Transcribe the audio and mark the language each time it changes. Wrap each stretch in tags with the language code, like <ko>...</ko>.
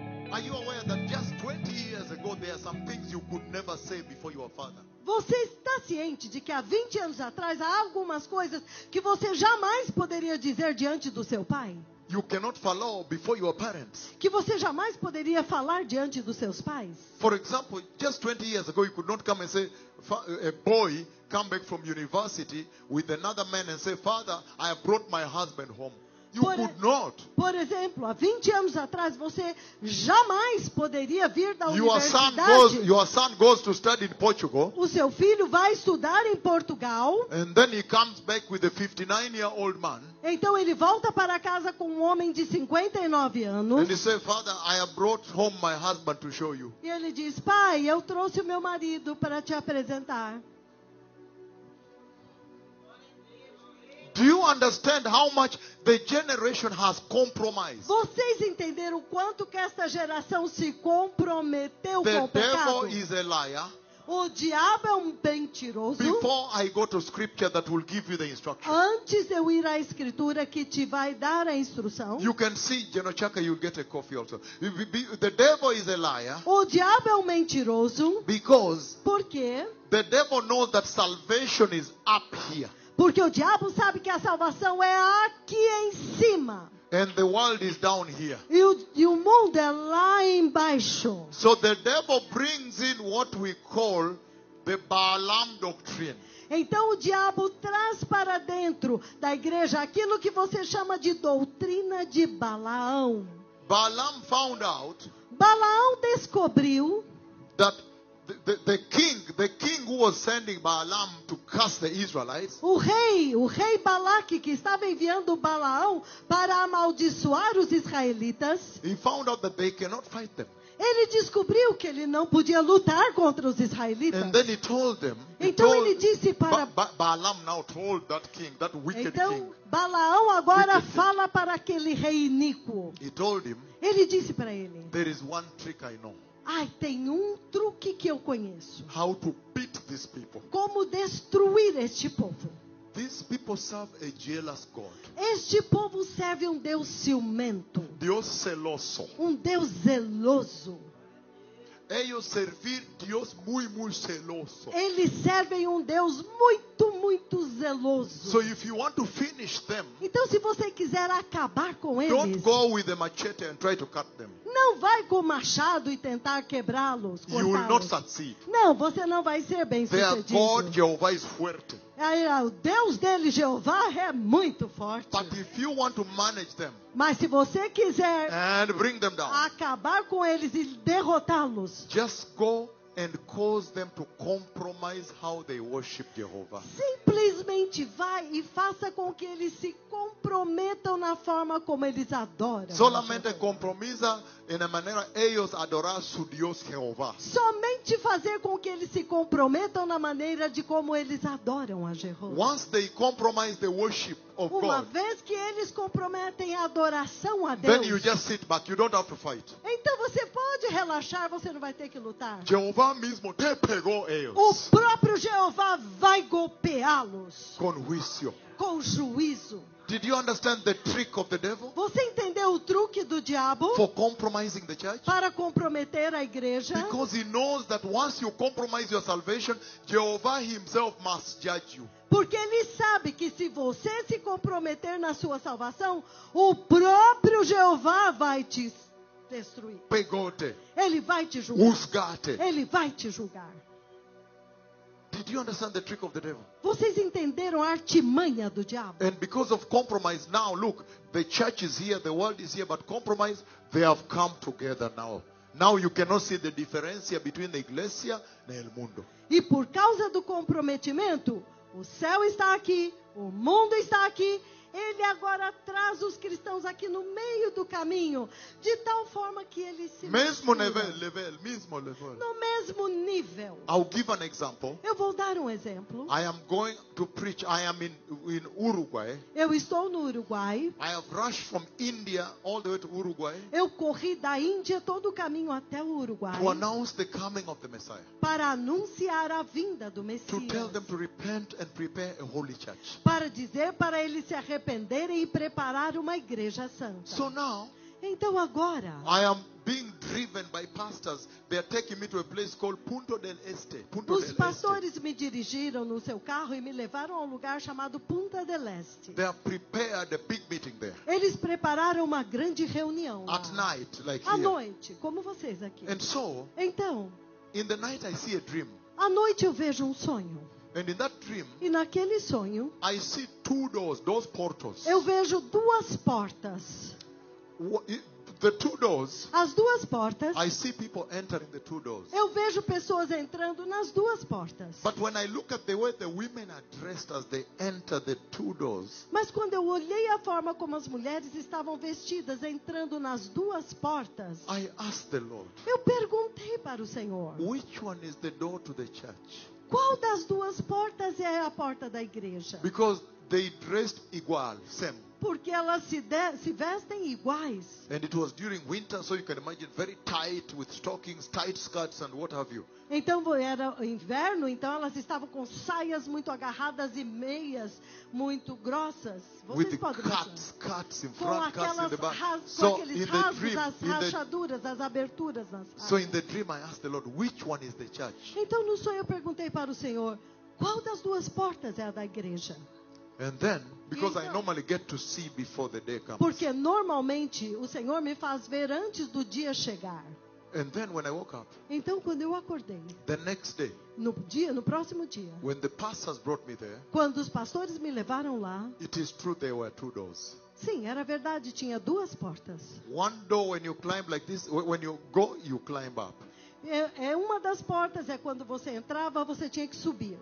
<en>Are you aware that just 20 years ago there are some things you could never say before your father?</en> <pt>Você está ciente de que há 20 anos atrás há algumas coisas que você jamais poderia dizer diante do seu pai?</pt> <en>You cannot follow before your parents.</en> <pt>Que você jamais poderia falar diante dos seus pais?</pt> <en>For example, just 20 years ago you could not come and say a boy come back from university with another man and say, "Father, I have brought my husband home."</en> <pt>Por exemplo, há 20 anos atrás você jamais poderia vir da universidade.</pt> <en>Your son goes to study in Portugal.</en> <pt>O seu filho vai estudar em Portugal.</pt> <en>And then he comes back with a 59-year-old man.</en> <pt>Então ele volta para casa com um homem de 59 anos.</pt> <en>And he says, "Father, I have brought home my husband to show you."</en> <pt>E ele diz: "Pai, eu trouxe o meu marido para te apresentar."</pt> <en>Do you understand how much the generation has compromised?</en> <pt>Vocês entenderam quanto que esta geração se comprometeu</pt> <en>the</en> <pt>com o pecado?</pt> <en>The devil is a liar.</en> <pt>O diabo é um mentiroso.</pt> <en>Before I go to scripture that will give you the instruction.</en> <pt>Antes de eu ir à escritura que te vai dar a instrução.</pt> <en>You can see, Genochaka, you'll get a coffee also. The devil is a liar.</en> <pt>O diabo é um mentiroso.</pt> <en>Because.</en> <pt>Porque.</pt> <en>The devil knows that salvation is up here.</en> <pt>Porque o diabo sabe que a salvação é aqui em cima.</pt> <en>And the world is down here.</en> <pt>E o mundo é lá embaixo.</pt> <en>So the devil brings in what we call the Balaam doctrine.</en> <pt>Então o diabo traz para dentro da igreja aquilo que você chama de doutrina de Balaão.</pt> <en>Balaam found out.</en> <pt>Balaão descobriu</pt> <en>that the king who was sending Balaam to curse the Israelites.</en> <pt>O rei Balaque que estava enviando Balaão para amaldiçoar os israelitas.</pt> <en>He found out that they cannot fight them.</en> <pt>Ele descobriu que ele não podia lutar contra os israelitas.</pt> <en>And then he told them. Balaam now told that king, that wicked king.</en> <pt>Então Balaão agora fala para aquele rei iníquo.</pt> <en>He told him.</en> <pt>Ele disse para ele.</pt> <en>There is one trick I know.</en> <pt>Ai, tem um truque que eu conheço.</pt> <en>How to beat these people.</en> <pt>Como destruir este povo.</pt> <en>These people serve a jealous God.</en> <pt>Este povo serve um Deus ciumento.</pt> <es>Deus celoso.</es> <pt>Um Deus zeloso.</pt> <es>Ellos servir</es> <pt>Deus muito, muito</pt> <es>celoso.</es> <pt>Eles servem um Deus muito, muito zeloso.</pt> <en>So if you want to finish them,</en> <pt>então, se você quiser acabar com eles,</pt> <en>don't go with a machete and try to cut them.</en> <pt>Não vai com machado e tentar quebrá-los.</pt> <en>You will not succeed.</en> <pt>Não, você não vai ser bem sucedido.</pt> <en>Their God, Jeová, is forte.</en> <pt>O Deus deles, Jeová, é muito forte.</pt> <en>But if you want to manage them,</en> <pt>mas se você quiser</pt> <en>and bring them down,</en> <pt>acabar com eles e derrotá-los,</pt> <en>just go and cause them to compromise how they worship Jehovah.</en> <pt>Simplesmente vai e faça com que eles se comprometam na forma como eles adoram.</pt> <es>Solamente compromisa</es> <pt>em a maneira eles</pt> <es>adorar su Deus Jehovah.</es> <pt>Somente fazer com que eles se comprometam na maneira de como eles adoram a Jehovah.</pt> <en>Once they compromise the worship of</en> <pt>uma</pt> <en>God.</en> <pt>Uma vez que eles comprometem a adoração a Deus.</pt> <en>Then you just sit back, you don't have to fight.</en> <pt>Então você pode relaxar, você não vai ter que lutar. Jeová mesmo te pegou eles. O próprio Jeová vai golpeá-los. Com juízo. Com juízo.</pt> <en>Did you understand the trick of the devil?</en> <pt>Você entendeu o truque do diabo?</pt> <en>For compromising the church?</en> <pt>Para comprometer a igreja?</pt> <en>Because he knows that once you compromise your salvation, Jehovah himself must judge you.</en> <pt>Porque ele sabe que se você se comprometer na sua salvação, o próprio Jeová vai te destruir. Pegou-te. Ele vai te julgar. Usgar-te. Ele vai te julgar.</pt> <en>Did you understand the trick of the devil?</en> <pt>Vocês entenderam a artimanha do diabo?</pt> <en>And because of compromise, now look, the church is here, the world is here, but compromise, they have come together now. Now you cannot see the difference between the iglesia and the mundo.</en> <pt>E por causa do comprometimento, o céu está aqui, o mundo está aqui. Ele agora traz os cristãos aqui no meio do caminho, de tal forma que eles se mesmo nível. No mesmo nível.</pt> <en>I'll give an example.</en> <pt>Eu vou dar um exemplo.</pt> <en>I am going to preach. I am in Uruguay.</en> <pt>Eu estou no Uruguai.</pt> <en>I have rushed from India all the way to Uruguay.</en> <pt>Eu corri da Índia todo o caminho até o Uruguai.</pt> <en>To announce the coming of the Messiah.</en> <pt>Para anunciar a vinda do Messias.</pt> <en>To tell them to repent and prepare a holy church.</en> <pt>Para dizer para eles se arrependerem e preparar uma igreja santa.</pt> <en>So now,</en> <pt>então agora,</pt> <en>I am being driven by pastors. They are taking me to a place called Punto del Este.</en> <pt>Os pastores me dirigiram no seu carro e me levaram a um lugar chamado Punta del Este.</pt> <en>They have prepared a big meeting there.</en> <pt>Eles prepararam uma grande reunião lá.</pt> <en>At night, like</en> <pt>à noite, como vocês aqui.</pt> <en>And so,</en> <pt>então,</pt> <en>in the night I see a dream.</en> <pt>À noite eu vejo um sonho.</pt> <en>And in that dream,</en> <pt>e naquele sonho,</pt> <en>I see two doors,</en> <pt>dois portos. Eu vejo duas portas.</pt> <en>The two doors,</en> <pt>as duas portas.</pt> <en>I see people entering the two doors.</en> <pt>Eu vejo pessoas entrando nas duas portas.</pt> <en>But when I look at the way the women are dressed as they enter the two doors,</en> <pt>mas quando eu olhei a forma como as mulheres estavam vestidas entrando nas duas portas,</pt> <en>I asked the Lord,</en> <pt>eu perguntei para o Senhor,</pt> <en>which one is the door to the church?</en> <pt>Qual das duas portas é a porta da igreja?</pt> <en>Because they dressed igual, same.</en> <pt>Porque elas se vestem iguais.</pt> <en>And it was during winter, so you can imagine very tight with stockings, tight skirts and what have you.</en> <pt>Então era inverno, então elas estavam com saias muito agarradas e meias muito grossas. Vocês</pt> <en>with</en> <pt>podem</pt> <en>cuts,</en> <pt>imaginar.</pt> <en>Cuts in front,</en> <pt>com aquelas</pt> <en>cuts in the back.</en> <pt>Com aqueles rasgos, dream, as rachaduras, as aberturas nas saias.</pt> <en>So in the dream I asked the Lord, which one is the church?</en> <pt>Então no sonho eu perguntei para o Senhor, qual das duas portas é a da igreja?</pt> <en>And then, because então, I normally get to see before the day comes.</en> <pt>Porque normalmente o Senhor me faz ver antes do dia chegar.</pt> <en>And then when I woke up.</en> <pt>Então quando eu acordei.</pt> <en>The next day.</en> <pt>No dia, no próximo dia.</pt> <en>When the pastors brought me there.</en> <pt>Quando os pastores me levaram lá.</pt> <en>It is true there were two doors.</en> <pt>Sim, era verdade, tinha duas portas.</pt> <en>One door when you climb like this, when you go, you climb up.</en> <pt>É uma das portas, é quando você entrava, você tinha que subir.</pt>